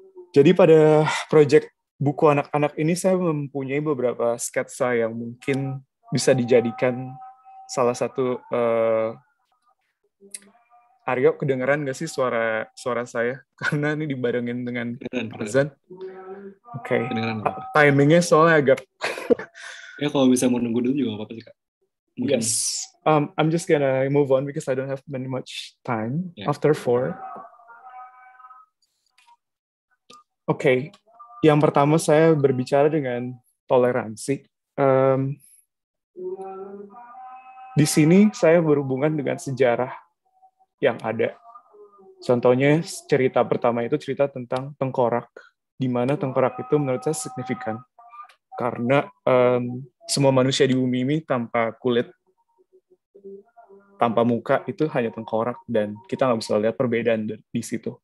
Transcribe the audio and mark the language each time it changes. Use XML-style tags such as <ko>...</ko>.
<id>Jadi pada proyek buku anak-anak ini saya mempunyai beberapa sketsa yang mungkin bisa dijadikan salah satu Aryo, kedengeran gak sih suara saya? Karena ini dibarengin dengan Arzan. Oke. Okay. Timingnya soalnya agak. Ya kalau bisa mau nunggu dulu juga apa-apa sih kak. Mungkin. Yes.</id> <en>I'm just gonna move on because I don't have many much time after 4. Okay.</en> <id>Yang pertama saya berbicara dengan toleransi. Di sini saya berhubungan dengan sejarah yang ada. Contohnya cerita pertama itu cerita tentang tengkorak, di mana tengkorak itu menurut saya signifikan karena semua manusia di bumi ini tanpa kulit, tanpa muka itu hanya tengkorak dan kita nggak bisa lihat perbedaan di situ.</id>